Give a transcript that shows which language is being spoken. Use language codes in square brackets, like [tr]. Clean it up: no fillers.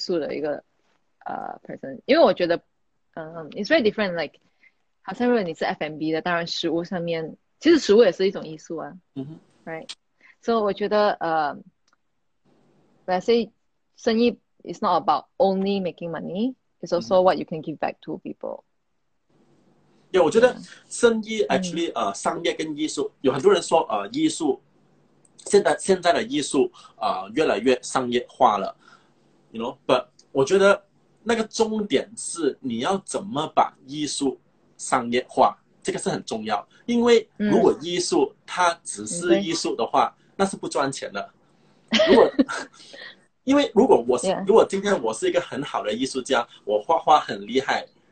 [zh] 请问如何看待商业与艺术的关系？很重要，我觉得，因为我是一个很爱艺术的一个 [en] person， [zh] 因为我觉得， [en] it's very different. Like， [zh] 好像如果你是 F&B 的，当然食物上面，其实食物也是一种艺术啊。 [en] Right. So [zh] 我觉得， [en] let's say [zh] 生意 [en] is not about only making money. It's also what you can give back to people. [zh] 我觉得生意 [en] actually [zh] 商业跟艺术，有很多人说艺术现在的艺术越来越商业化了， [en] you know， but [zh] 我觉得那个重点是你要怎么把艺术商业化，这个是很重要，因为如果艺术它只是艺术的话，那是不赚钱的。如果今天我是一个很好的艺术家，我画画很厉害，